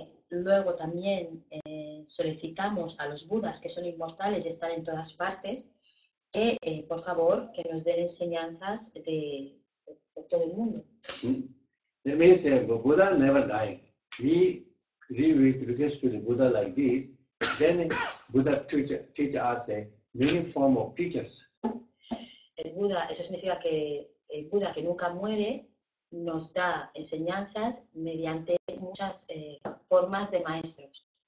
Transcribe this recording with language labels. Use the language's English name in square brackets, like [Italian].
[Spanish] Luego también solicitamos a los Budas, que son inmortales y están en todas partes, que por favor, que nos den enseñanzas de todo el mundo. [English] That means the Buddha never die. We request to the Buddha like this. Then Buddha teach us a many form of teachers. [Spanish] El Buda, eso significa que el Buda que nunca muere nos da enseñanzas mediante muchas formas de maestros.